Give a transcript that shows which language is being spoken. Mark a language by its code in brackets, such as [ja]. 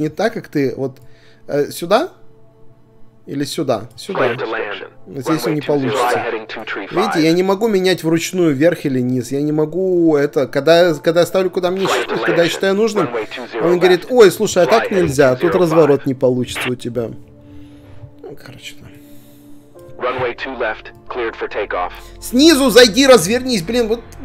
[ru] Не так, как ты. Вот сюда? Или сюда? Сюда. Здесь он не получится. Видите, я не могу менять вручную вверх или вниз. Я не могу это... Когда я ставлю, куда мне считать, когда я считаю нужным, он говорит, ой, слушай, а так нельзя, тут разворот не получится у тебя. Короче, да. [en] Runway 2 left, cleared for takeoff. [ru] Снизу зайди, развернись, блин, вот...